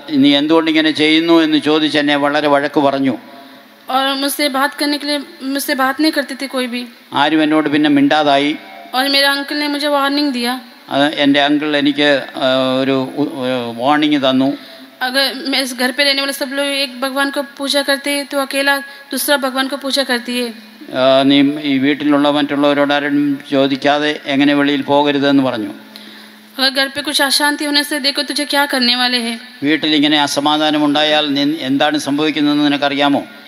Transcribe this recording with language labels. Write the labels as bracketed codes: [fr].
[ml] നീ എന്തുകൊണ്ട് ഇങ്ങനെ ചെയ്യുന്നു എന്ന് ചോദിച്ച് എന്നെ വളരെ വഴക്കു പറഞ്ഞു. [hi] और मुझसे बात करने के लिए मुझसे बात नहीं करते थे कोई भी [ml] आर എന്നോട് പിന്നെ മിണ്ടാതായി [hi] और मेरे अंकल ने मुझे वार्निंग दिया [ml] എന്റെ അങ്കിൾ എനിക്ക് ഒരു വാർണിംഗ് തന്നു [hi] अगर मैं इस घर पे रहने वाले सब लोग एक भगवान को पूजा करते हैं तो अकेला दूसरा भगवान को पूजा करती है [ml] നീ ഈ വീട്ടിലുള്ള മറ്റുള്ളവരോട് ആരും ചോദിക്കാതെ എങ്ങനെ വെളിയിൽ പോകരുത് എന്ന് പറഞ്ഞു [hi] अगर घर पे कुछ अशांति होने से देखो तुझे क्या करने वाले हैं [ml] വീട്ടിൽ ഇങ്ങനെ അസമാധാനം ഉണ്ടായാൽ എന്താണ് സംഭവിക്കുന്നതെന്ന് നിനക്ക് അറിയാമോ